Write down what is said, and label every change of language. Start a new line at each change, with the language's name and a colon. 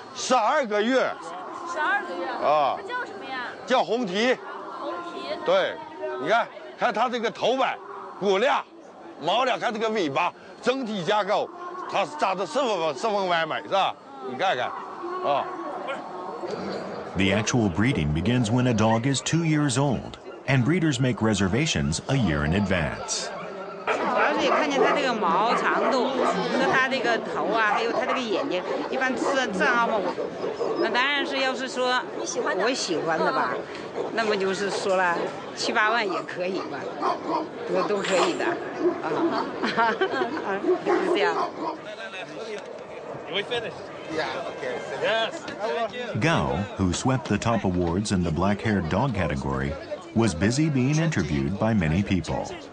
Chinese: 十二个月。十二个月。啊。它叫什么呀？叫红蹄。红蹄。对，你看，看它这个头摆，骨量，毛量，看这个尾巴，整体架构，它扎得十分完美，是吧？你看看，啊。
English: The actual breeding begins when a dog is 2 years old, and breeders make reservations a year in advance.
Chinese: 主要是也看见它这个毛长度，和它这个头啊，还有它这个眼睛，一般藏獒嘛，那当然是要是说我喜欢的吧，那么就是说了七八万也可以吧，都可以的，啊，是这样。
English: We finished. Yeah, okay. Yes. Gao, who swept the top awards in the black-haired dog category, was busy being interviewed by many people.